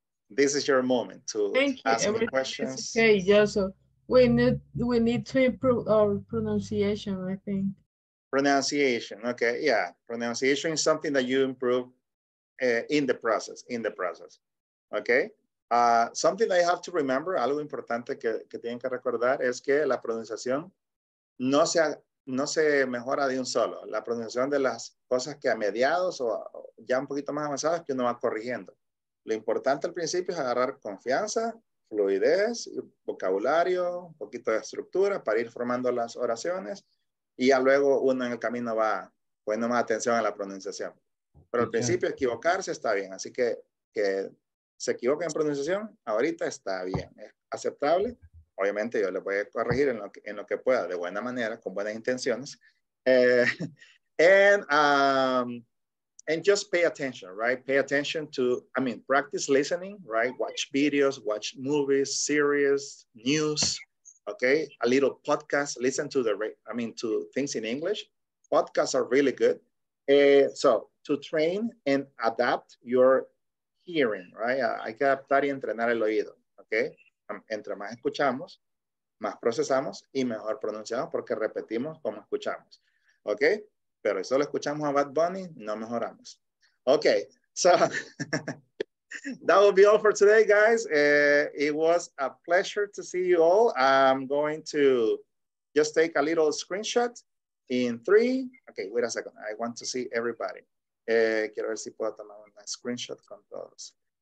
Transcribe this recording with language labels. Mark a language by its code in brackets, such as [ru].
[en] This is your moment to ask me questions. Okay, Joseph. We need to improve our pronunciation, I think. Pronunciation, okay, yeah. Pronunciation is something that you improve in the process, okay? Something I have to remember, [es] algo importante que tienen que recordar es que la pronunciación no se mejora de un solo. La pronunciación de las cosas que a mediados o ya un poquito más avanzadas que uno va corrigiendo. Lo importante al principio es agarrar confianza, fluidez, vocabulario, un poquito de estructura para ir formando las oraciones y ya luego uno en el camino va poniendo más atención a la pronunciación. Pero al principio equivocarse está bien, así que se equivoque en pronunciación, ahorita está bien, es aceptable. Obviamente yo le voy a corregir en lo que pueda, de buena manera, con buenas intenciones. [en] And just pay attention, right? Pay attention to, I mean, practice listening, right? Watch videos, watch movies, series, news, okay? A little podcast, listen to to things in English. Podcasts are really good. So to train and adapt your hearing, right? [es] Hay que adaptar y entrenar el oído, okay? Entre más escuchamos, más procesamos y mejor pronunciamos porque repetimos como escuchamos, okay? Pero si solo escuchamos a Bad Bunny, no mejoramos. [en] Okay, so that will be all for today, guys. It was a pleasure to see you all. I'm going to just take a little screenshot in three. Okay, wait a second. I want to see everybody. [es] Quiero ver si puedo tomar una screenshot con todos.